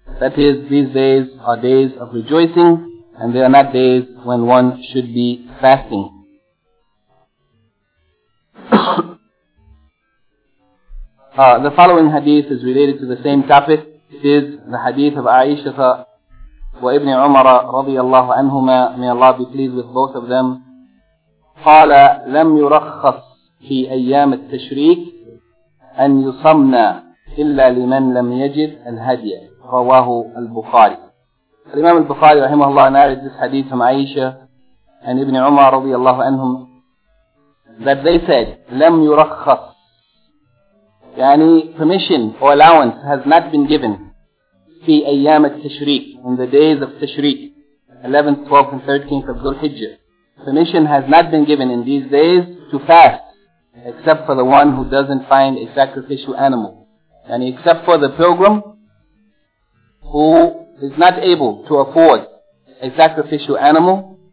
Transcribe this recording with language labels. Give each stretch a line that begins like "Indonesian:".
English: That is, these days are days of rejoicing and they are not days when one should be fasting. The following hadith is related to the same topic. It is the hadith of Aisha wa Ibn Umar radiyallahu anhuma, may Allah be pleased with both of them.
Arabic: قال لم يرخص في أيام التشريك أن يصمنا إلا لمن لم يجد الهدي رواه البخاري.
English: Imam al-Bukhari rahimahullah narrated this hadith from Aisha and Ibn Umar radiyallahu anhum, that they said
Arabic: لم يرخص,
English: yani permission or allowance has not been given,
Arabic: في أيام التشريك,
English: in the days of Tashriq, 11th, 12th and 13th of Dhul-Hijjah, permission has not been given in these days to fast, except for the one who doesn't find a sacrificial animal, yani except for the pilgrim who is not able to afford a sacrificial animal.